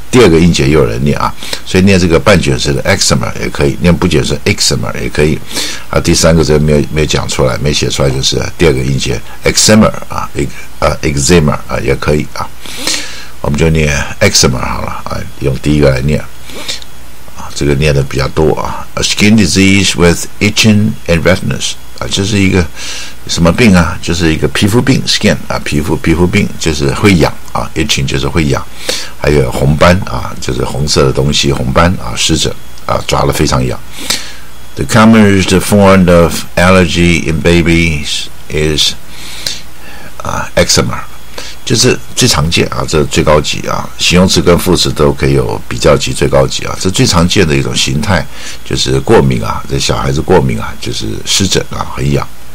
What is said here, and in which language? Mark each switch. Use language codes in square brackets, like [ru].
[zh] 第二个音节又有人念啊，所以念这个半卷舌的 eczema 也可以，念不卷舌 eczema 也可以啊。第三个字没有讲出来，没写出来，就是第二个音节 eczema 啊 ，eczema 啊也可以啊。我们就念 eczema 好了啊，用第一个来念啊，这个念的比较多啊。 [en] A skin disease with itching and redness 啊， [zh] 这是一个什么病啊？就是一个皮肤病 ，skin 啊，皮肤病就是会痒啊 ，itching 就是会痒，还有红斑啊，就是红色的东西，红斑啊，湿疹啊，抓了非常痒。 [en] The common form of allergy in babies is [zh] 啊 ，eczema， 就是最常见啊，这最高级啊，形容词跟副词都可以有比较级，最高级啊，这最常见的一种形态就是过敏啊，这小孩子过敏啊，就是湿疹啊，很痒。